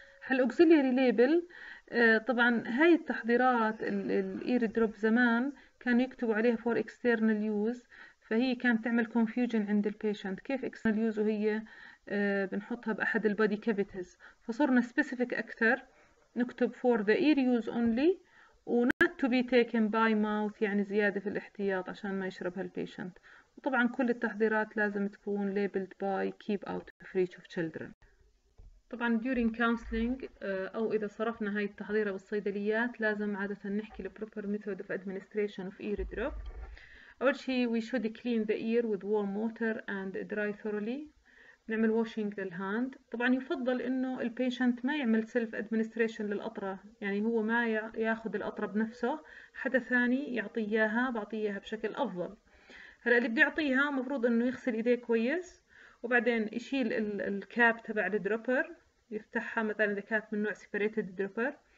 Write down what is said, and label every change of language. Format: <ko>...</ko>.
<ar>الاوكسيلياري ليبل طبعا هاي التحضيرات الاير دروب زمان كانوا يكتبوا عليها</ar> <en>for external use</en> <ar>فهي كانت تعمل confusion عند البيشنت كيف</ar> <en>external use</en> <ar>وهي بنحطها باحد البادي كافيتيز فصرنا specific اكثر نكتب</ar> <en>for the ear use only</en> <ar>و</ar> <en>not to be taken by mouth</en> <ar>يعني زيادة في الاحتياط عشان ما يشربها البيشنت. وطبعا كل التحضيرات لازم تكون</ar> <en>labeled by keep out of reach of children.</en> <ar>طبعا</ar> <en>during counseling</en> <ar>أو إذا صرفنا هاي التحضيرة بالصيدليات لازم عادة نحكي</ar> <en>the proper method of administration of ear drop.</en> <ar>أول شيء</ar> <en>we should clean the ear with warm water and dry thoroughly.</en> <ar>نعمل</ar> <en>washing the hand.</en> <ar>طبعا يفضل انه البيشنت ما يعمل سيلف ادمنستريشن للقطرة يعني هو ما ياخذ القطرة بنفسه حدا ثاني يعطيها بعطيها بشكل افضل. هلا اللي بده يعطيها مفروض انه يغسل ايديه كويس وبعدين يشيل الكاب تبع الدروبر يفتحها مثلا اذا كانت من نوع سيبريتد دروبر.</ar>